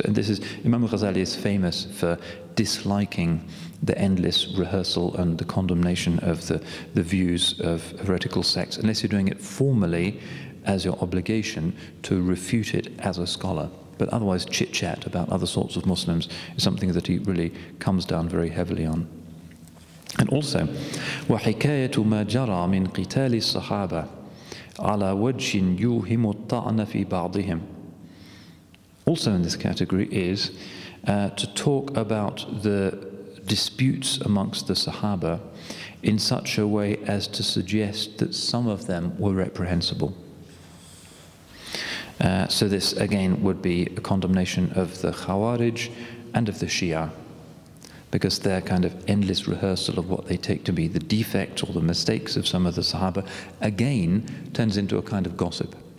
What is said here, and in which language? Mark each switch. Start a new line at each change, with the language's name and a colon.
English: And this is, Imam Ghazali is famous for disliking the endless rehearsal and the condemnation of the views of heretical sects, unless you're doing it formally as your obligation to refute it as a scholar. but otherwise chit-chat about other sorts of Muslims is something that he really comes down very heavily on.
Arabic: And also, وَحِكَايَةُ مَا جَرَى مِنْ قِتَالِ الصَّحَابَةِ عَلَى وَجْهٍ يُوهِمُ الطَّعْنَ فِي بَعْضِهِمْ.
English: Also in this category is to talk about the disputes amongst the Sahaba in such a way as to suggest that some of them were reprehensible. So this again would be a condemnation of the Khawarij and of the Shia, because their kind of endless rehearsal of what they take to be the defects or the mistakes of some of the Sahaba again turns into a kind of gossip.